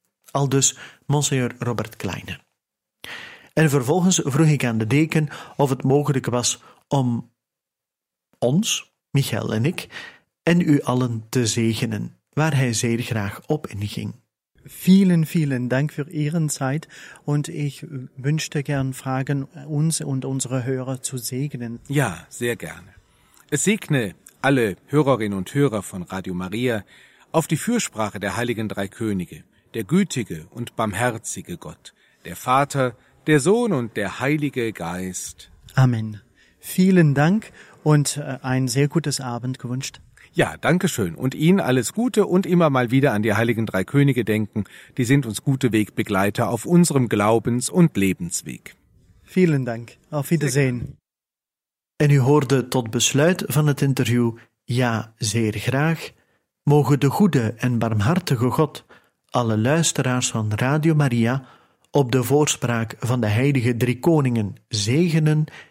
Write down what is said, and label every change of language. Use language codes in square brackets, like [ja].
[nl] Aldus monseigneur Robert Kleine. En vervolgens vroeg ik aan de deken of het mogelijk was om ons, Michael en ik, en u allen te zegenen, waar hij zeer graag op inging. [de] Vielen, vielen Dank für Ihre Zeit und ich wünschte gern fragen, uns und unsere Hörer zu segnen. Ja, sehr gerne. Es segne alle Hörerinnen und Hörer von Radio Maria auf die Fürsprache der heiligen drei Könige, der gütige und barmherzige Gott, der Vater, der Sohn und der Heilige Geist. Amen. Vielen Dank und ein sehr gutes Abend gewünscht. Ja, danke schön und Ihnen alles Gute und immer mal wieder an die heiligen drei Könige denken. Die sind uns gute Wegbegleiter auf unserem Glaubens- und Lebensweg. Vielen Dank. Auf Wiedersehen. [nl] En u hoorde tot besluit van het interview, ja, zeer graag, mogen de goede en barmhartige God alle luisteraars van Radio Maria op de voorspraak van de heilige drie koningen zegenen